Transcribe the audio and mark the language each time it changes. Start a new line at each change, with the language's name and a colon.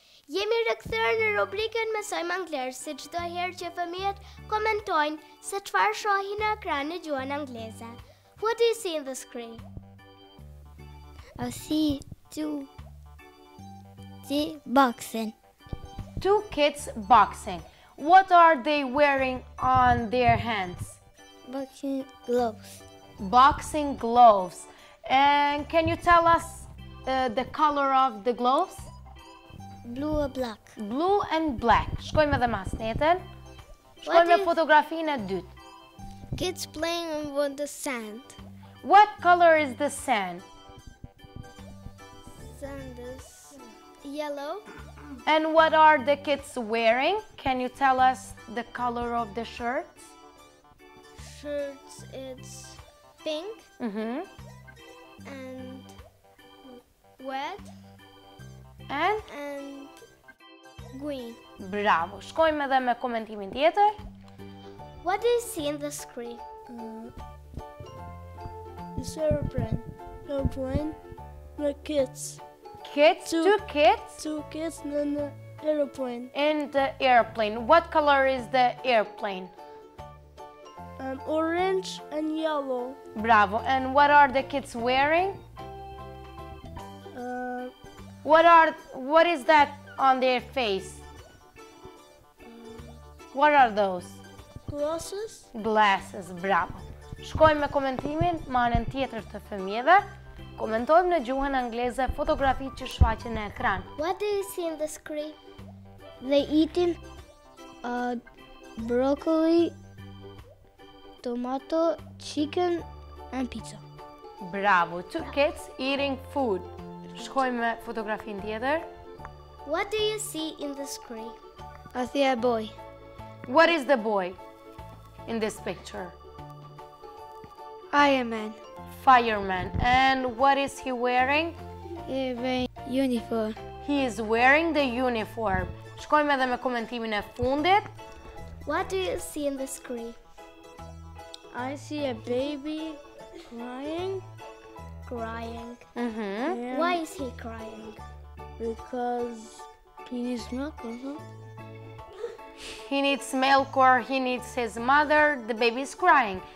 Albanian: Jemi rikthyer në rubrikën mësojmë anglisht, si çdo herë që fëmijët komentojnë se çfarë shohin në ekran në gjuhën angleze.
English: What do you see in the screen? I see two ti boxing. Two kids boxing. What are they wearing on their hands? Boxing gloves. Boxing gloves. And can you tell us the color of the gloves? Blue or black? Blue and black.
Albanian: Shkojmë edhe mas, netën. Shkojmë me fotografinë e dytë.
English: Kids playing on the sand. What color is the sand? Sand is yellow. And what are the kids wearing? Can you tell us the color of the shirts? Shirts it's pink. Mm-hmm. And red. And green. Bravo.
Albanian: Shkojmë edhe me komentimin tjetër.
English: What do you see in the screen? It's aeroplane. The kids. Kids? Two kids? Two kids and an aeroplane. And the airplane. What color is the airplane? Orange and yellow. Bravo. And what are the kids wearing? What is that on their face? What are those? Glasses. Glasses, bravo.
Albanian: Shkojmë me komentimin, marrën tjetër të fëmijëve. Komentojmë në gjuhën angleze fotografi që shfaqen në ekran.
English: What do you see in the screen? They eating broccoli, tomato, chicken and pizza. Bravo, two kids eating food.
Albanian: Shkojmë me fotografin tjetër.
English: What do you see in the screen? I see a boy. What is the boy in this picture? Ironman. Fireman. And what is he wearing? He is wearing uniform. He is wearing the uniform.
Albanian: Shkojmë edhe me komentimin e fundit.
English: What do you see in the screen? I see a baby crying. Mm-hmm. Yeah. Why is he crying? Because he needs milk, He needs milk or he needs his mother. The baby is crying.